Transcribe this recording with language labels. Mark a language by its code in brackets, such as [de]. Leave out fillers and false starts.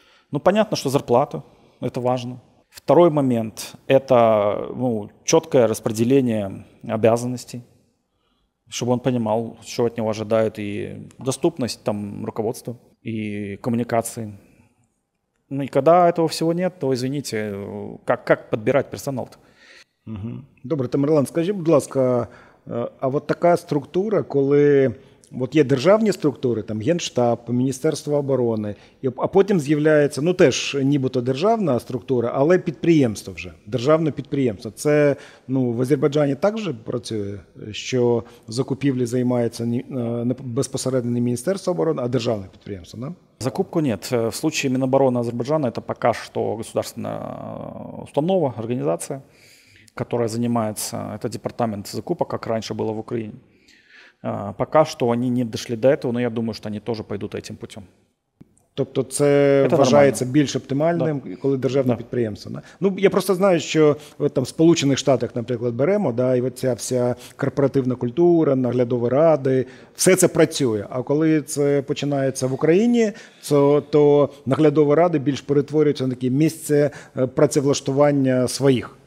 [ru] Ну, понятно, что зарплата – это важно. Второй момент – это четкое распределение обязанностей, чтобы он понимал, что от него ожидают, и доступность там руководства, и коммуникации. Ну, и когда этого всего нет, то, извините, как подбирать персонал-то? Угу. [uk] Добре, Тамерлан, скажи, будь ласка, а от така структура, коли от є державні структури, там Генштаб, Міністерство оборони, а потім з'являється, ну теж нібито державна структура, але підприємство вже, державне підприємство. Це в Азербайджані також працює, що закупівлі займається не безпосередньо не Міністерство оборони, а державне підприємство, да? [ru] Закупку нет. В случае Минобороны Азербайджана это пока что государственная установа, организация, которая занимается, это департамент закупок, как раньше было в Украине. Пока что они не дошли до этого, но я думаю, что они тоже пойдут этим путем. [uk] Тобто це вважається більш оптимальним, да, коли державне, да, підприємство. Да? Ну, я просто знаю, що там, в Сполучених Штатах, наприклад, беремо, да, і оця вся корпоративна культура, наглядові ради, все це працює. А коли це починається в Україні, то наглядові ради більш перетворюються на таке місце працевлаштування своїх.